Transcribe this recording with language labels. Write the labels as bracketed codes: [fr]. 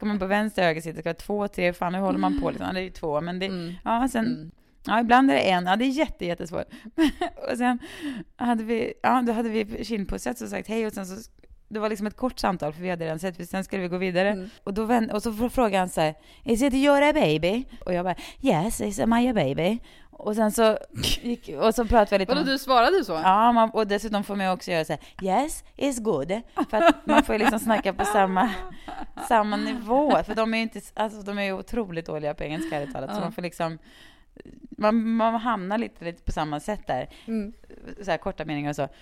[sv] Ska man på vänster öga sitta, ska två, tre, fan, hur håller man på? Liksom? Det är ju två, men det, ja, sen... Ja, ibland är det en. Ja, det är jättesvårt. Och sen hade vi, ja, då hade vi kindpusset och sagt hej. Och sen så, det var liksom ett kort samtal för vi hade redan sett. Sen skulle vi gå vidare. Och så frågade han så här, [en] is it your baby? [sv] Och jag bara, [en] yes, it's my baby. [sv] Och sen så gick, och så pratade vi lite. Och då du svarade så? Ja, och dessutom får man också göra så här, [en] yes, it's good. [sv] För att man får ju liksom snacka på samma nivå. För de är ju inte, alltså, de är ju otroligt dåliga på engelska här i talet. Så man får liksom... Man hamnar lite på samma sätt där. Så här korta meningar och så.